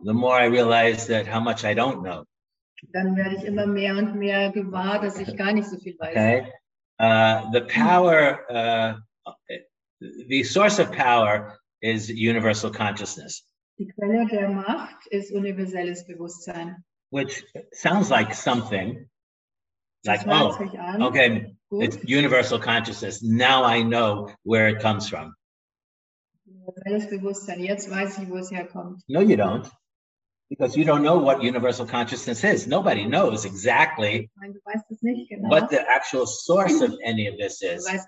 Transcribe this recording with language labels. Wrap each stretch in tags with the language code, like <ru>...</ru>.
<en>The more I realize that how much I don't know.</en> <de>Dann werde ich immer mehr und mehr gewahr, dass ich gar nicht so viel weiß.</de> <en>Okay. The power, the source of power is universal consciousness.</en> <de>Die Quelle der Macht ist universelles Bewusstsein.</de> <en>Which sounds like something. Like, oh, okay, it's universal consciousness. Now I know where it comes from.</en> <de>Universelles Bewusstsein. Jetzt weiß ich, wo es herkommt.</de> <en>No, you don't. Because you don't know what universal consciousness is. Nobody knows exactly what the actual source of any of this is.</en>